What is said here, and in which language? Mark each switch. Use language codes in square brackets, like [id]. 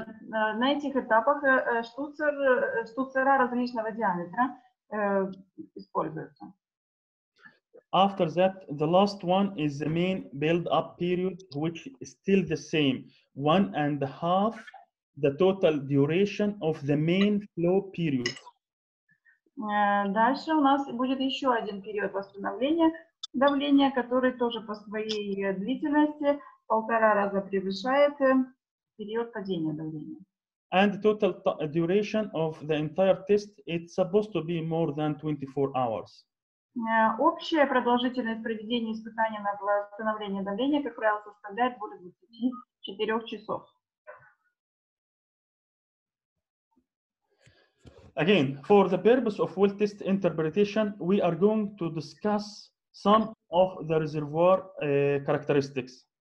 [ru] На этих этапах штуцера различного диаметра используются. [en] After that, the last one is the main build-up period, which is still the same. One and a half, the total duration of the main flow period. [ru] Дальше у нас будет еще один период восстановления давления, который тоже по своей длительности полтора раза превышает период падения давления. [en] And the total duration of the entire test, it's supposed to be more than 24 hours. [ru] Общая продолжительность проведения испытания на восстановление давления, как правило, составляет более 24 часов. [en] Again, for the purpose of well test interpretation, we are going to discuss some of the reservoir characteristics.